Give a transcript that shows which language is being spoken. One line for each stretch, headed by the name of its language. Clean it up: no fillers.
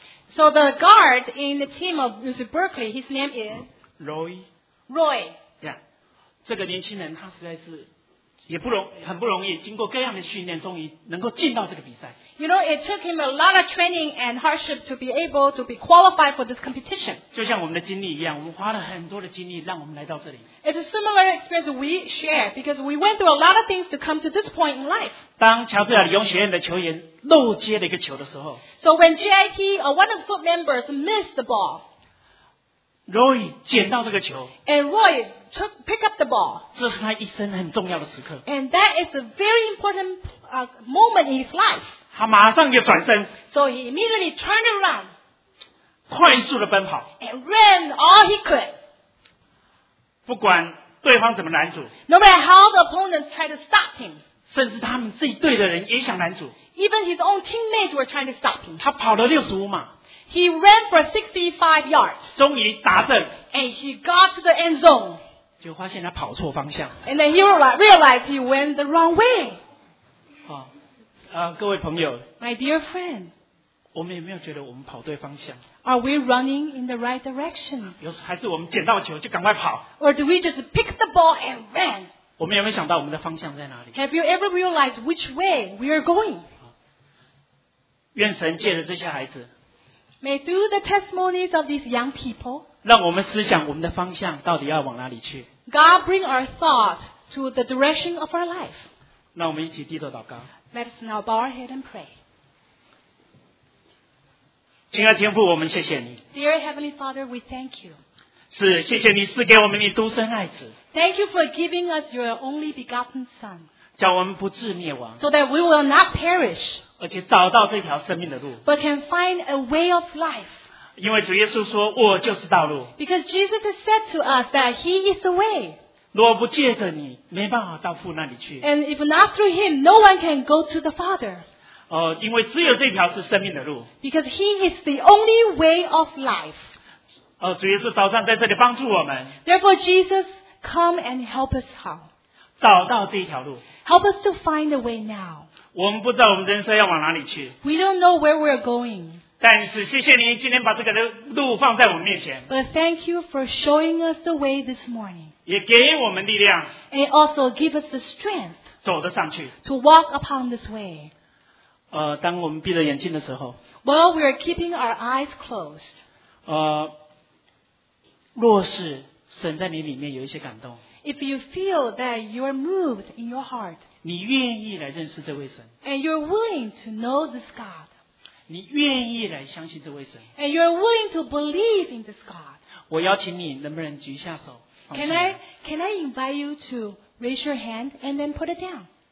English: So the guard in the team of UC Berkeley, his name is Roy. Roy.
Chinese: Yeah, 这个年轻人他实在是也不容很不容易，经过各样的训练，终于能够进到这个比赛。
English: You know, it took him a lot of training and hardship to be able to be qualified for this competition.
Chinese: 就像我们的经历一样，我们花了很多的精力，让我们来到这里。
English: It's a similar experience we share because we went through a lot of things to come to this point in life.
Chinese: 当乔治亚理工学院的球员漏接了一个球的时候
English: ，So when JIT or one of the foot members missed the ball.
Chinese: Roy 捡到这个球
English: ，And Roy pick up the ball.
Chinese: 这是他一生很重要的时刻
English: ，And that is a very important moment in his life.
Chinese: 他马上就转身
English: ，So he immediately turned around.
Chinese: 快速的奔跑
English: ，And ran all he could.
Chinese: 不管对方怎么拦阻
English: ，No matter how the opponents try to stop him.
Chinese: 甚至他们自己队的人也想拦阻
English: ，Even his own teammates were trying to stop him.
Chinese: 他跑了65码。
English: He ran for 65 yards.
Chinese: 终于达阵。
English: And he got to the end zone.
Chinese: 就发现他跑错方向。
English: And then he realized he went the wrong way.
Chinese: 各位朋友。
English: My dear friend.
Chinese: 我们有没有觉得我们跑对方向
English: ？Are we running in the right direction?
Chinese: 还是我们捡到球就赶快跑
English: ？Or do we just pick the ball and run?
Chinese: 我们有没有想到我们的方向在哪里
English: ？Have you ever realized which way we are going?
Chinese: 愿神借着这些孩子。
English: May through the testimonies of these young people,
Chinese: 让我们思想我们的方向到底要往哪里去。
English: God bring our thought to the direction of our life.
Chinese: 让我们一起低头祷告。
English: Let us now bow our head and pray.
Chinese: 亲爱的天父，我们谢谢你。
English: Dear Heavenly Father, we thank you.
Chinese: 是，谢谢你赐给我们你独生爱子。
English: Thank you for giving us your only begotten Son.
Chinese: 叫我们不至灭亡。
English: So that we will not perish.
Chinese: 而且找到这条生命的路。
English: But can find a way of life.
Chinese: 因为主耶稣说我就是道路。
English: Because Jesus has said to us that he is the way.
Chinese: 若不借着你没办法到父那里去。
English: And if not through him, no one can go to the Father.
Chinese: 因为只有这条是生命的路。
English: Because he is the only way of life.
Chinese: 主耶稣早上在这里帮助我们。
English: Therefore Jesus, come and help us how.
Chinese: 找到这条路。
English: Help us to find a way now.
Chinese: 我们不知道我们人生要往哪里去。
English: We don't know where we're going.
Chinese: 但是谢谢你今天把这个路放在我们面前。
English: But thank you for showing us the way this morning.
Chinese: 也给我们力量。
English: And also give us the strength.
Chinese: 走得上去。
English: To walk upon this way.
Chinese: 当我们闭着眼睛的时候。
English: While we're keeping our eyes closed.
Chinese: 若是神在你里面有一些感动。
English: If you feel that you are moved in your heart,
Chinese: 你愿意来认识这位神
English: and you are willing to know this God,
Chinese: 你愿意来相信这位神
English: and you are willing to believe in this God,
Chinese: 我邀请你能不能举下手
English: can I invite you to raise your hand and then put it down?